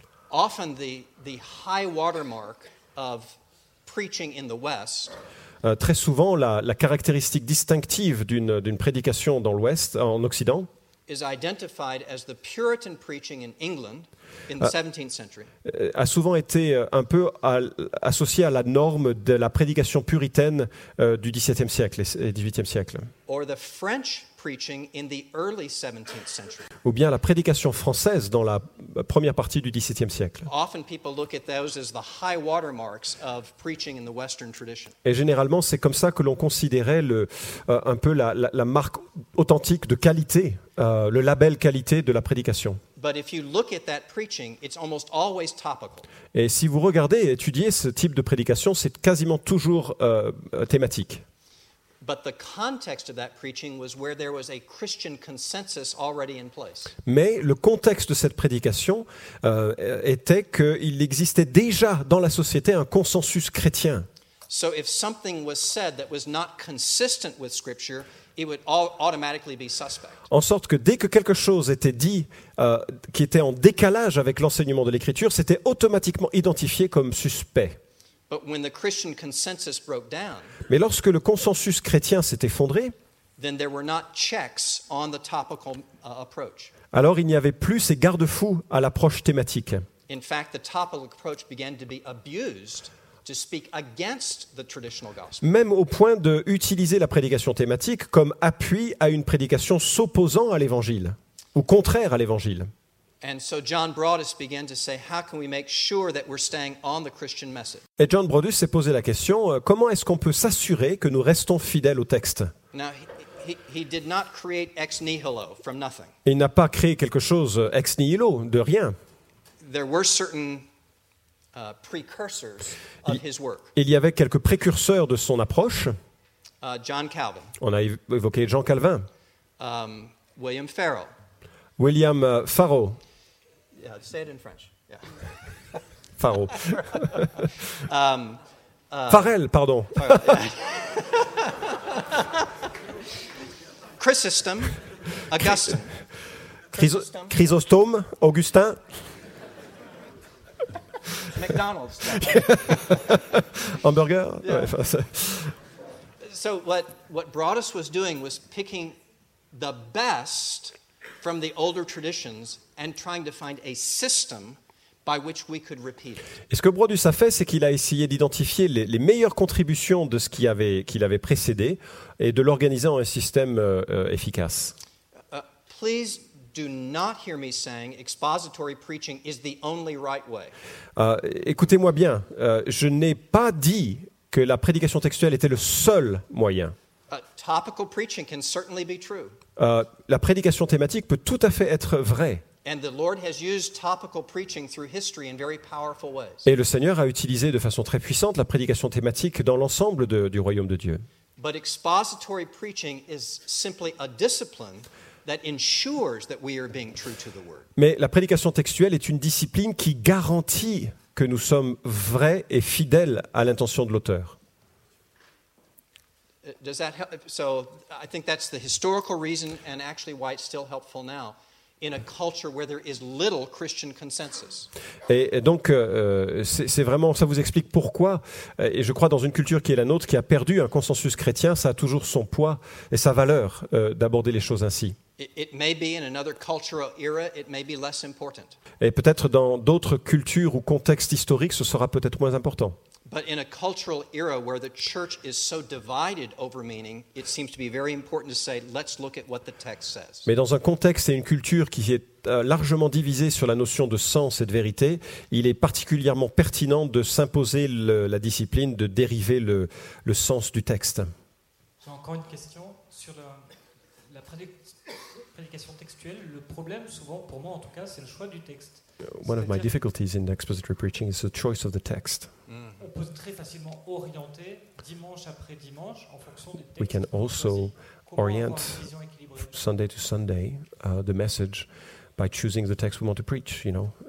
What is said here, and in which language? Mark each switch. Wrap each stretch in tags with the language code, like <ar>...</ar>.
<en>often the high watermark of preaching in the West,</en> <fr>Très souvent, la caractéristique distinctive d'une prédication dans l'Ouest, en Occident,</fr> <en>is identified as the Puritan preaching in England in the 17th century.</en> <fr>A souvent été un peu associé à la norme de la prédication puritaine du XVIIe siècle et XVIIIe siècle.</fr> <en>Or the French preaching in the early 17th century.</en> <fr>Ou bien la prédication française dans la première partie du XVIIe siècle.</fr> <en>Often people look at those as the high watermarks of preaching in the Western tradition.</en> <fr>Et généralement, c'est comme ça que l'on considérait un peu la marque authentique de qualité, le label qualité de la prédication.</fr> <en>But if you look at that preaching, it's almost always topical.</en> <fr>Et si vous regardez et étudiez ce type de prédication, c'est quasiment toujours thématique.</fr> <en>But the context of that preaching was where there was a Christian consensus already in place.</en> <fr>Mais le contexte de cette prédication était qu'il existait déjà dans la société un consensus chrétien.</fr> <en>So if something was said that was not consistent with Scripture, it would automatically be suspect.</en> <fr>En sorte que dès que quelque chose était dit qui était en décalage avec l'enseignement de l'Écriture, c'était automatiquement identifié comme suspect.</fr> <en>But when the Christian consensus broke down,</en> <fr>mais lorsque le consensus chrétien s'est effondré,</fr> <en>then there were not checks on the topical approach.</en> <fr>Alors il n'y avait plus ces garde-fous à l'approche thématique.</fr> <en>In fact, the topical approach began to be abused to speak against the traditional gospel.</en> <fr>Même au point d'utiliser la prédication thématique comme appui à une prédication s'opposant à l'Évangile ou contraire à l'Évangile.</fr> <en>And so John Broadus began to say, how can we make sure that we're staying on the Christian message?</en> <fr>Et John Broadus s'est posé la question, comment est-ce qu'on peut s'assurer que nous restons fidèles au texte?</fr> <en>Now, he did not create ex nihilo from nothing.</en> <fr>Il n'a pas créé quelque chose ex nihilo, de rien.</fr> <en>There were certain precursors of his work.</en> <fr>Il y avait quelques précurseurs de son approche.</fr> <en>John Calvin.</en> <fr>On a évoqué Jean Calvin.</fr> <en>William Farrell.</en> <fr>William Farrow.</fr> <en>Yeah, say it in French. Yeah.</en> <fr>Farrow. Farrell, pardon.</fr> <en>Chrysostom, Augustine.</en> <fr>Chrysostom, Augustin.</fr> <en>McDonald's. Hamburger. Yeah. Ouais, so what Broadus was doing was picking the best from the older traditions and trying to find a system by which we could repeat it.</en> <fr>Et ce que Broadus a fait, c'est qu'il a essayé d'identifier les meilleures contributions de ce qu'il avait précédé et de l'organiser en un système efficace.</fr> <en>Please do not hear me saying expository preaching is the only right way.</en> <fr>Écoutez-moi bien, je n'ai pas dit que la prédication textuelle était le seul moyen.</fr> <en>Topical preaching can certainly be true.</en> <fr>La prédication thématique peut tout à fait être vraie.</fr> <en>And the Lord has used topical preaching through history in very powerful ways.</en> <fr>Et le Seigneur a utilisé de façon très puissante la prédication thématique dans l'ensemble du royaume de Dieu.</fr> <en>But expository preaching is simply a discipline that ensures that we are being true to the word.</en> <fr>Mais la prédication textuelle est une discipline qui garantit que nous sommes vrais et fidèles à l'intention de l'auteur.</fr> <en>Does that help? So I think that's the historical reason and actually why it's still helpful now in a culture where there is little Christian consensus.</en> <fr>Et donc c'est vraiment, ça vous explique pourquoi, et je crois dans une culture qui est la nôtre, qui a perdu un consensus chrétien, ça a toujours son poids et sa valeur d'aborder les choses ainsi.</fr> <en>It may be in another cultural era, it may be less important.</en> <fr>Et peut-être dans d'autres cultures ou contextes historiques, ce sera peut-être moins important.</fr> <en>But in a cultural era where the church is so divided over meaning, it seems to be very important to say, let's look at what the text says.</en> <fr>Mais dans un contexte et une culture qui est largement divisée sur la notion de sens et de vérité, il est particulièrement pertinent de s'imposer la discipline de dériver le sens du texte. J'ai encore une question sur la prédication textuelle. Le problème, souvent, pour moi en tout cas, c'est le choix du texte.</fr> <en>One of my difficulties in expository preaching is the choice of the text.</en> <fr>On peut très facilement orienter dimanche après dimanche en fonction des textes.</fr> <en>We can also orient Sunday to Sunday the message by choosing the text we want to preach, you know.</en>